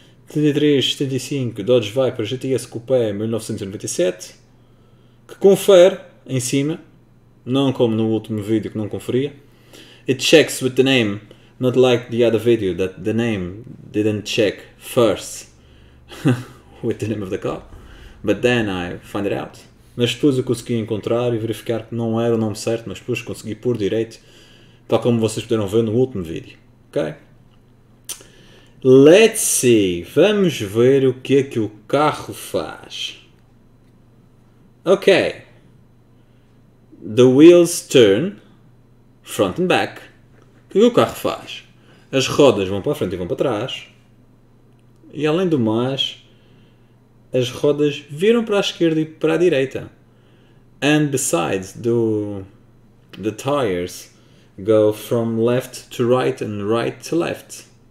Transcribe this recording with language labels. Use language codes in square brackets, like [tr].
[pt] 3375 Dodge Viper GTS Coupé 1997. Que confere em cima. Não como no último vídeo que não conferia. [en] it checks with the name, not like the other video that the name didn't check first with the name of the car. But then I find it out. [pt] Mas depois eu consegui encontrar e verificar que não era o nome certo, mas depois consegui pôr direito, tal como vocês puderam ver no último vídeo. Ok? [en] Let's see. [pt] Vamos ver o que é que o carro faz. Ok. [en] The wheels turn front and back. [pt] O que o carro faz? As rodas vão para a frente e vão para trás. E além do mais, as rodas viram para a esquerda e para a direita. [en] And besides, the tires go from left to right and right to left.